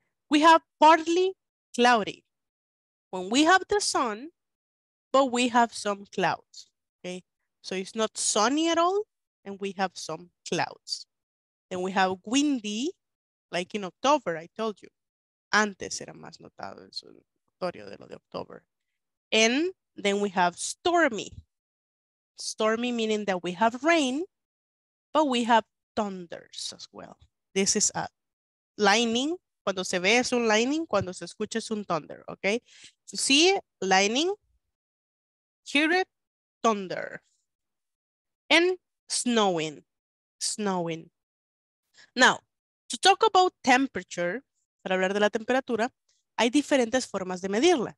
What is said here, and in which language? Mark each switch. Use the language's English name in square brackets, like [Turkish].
[English] We have partly cloudy, when we have the sun, but we have some clouds, okay? So it's not sunny at all, and we have some clouds. Then we have windy, like in October, I told you. [Spanish] Antes era más notado el notorio de lo de October. [English] And then we have stormy. Stormy meaning that we have rain, but we have thunders as well. This is a lightning. [Spanish] Cuando se ve es un lightning, cuando se escucha es un thunder, okay? [English] So see lightning, hear it, thunder. And snowing, snowing. Now, to talk about temperature, [Spanish] para hablar de la temperatura, hay diferentes formas de medirla.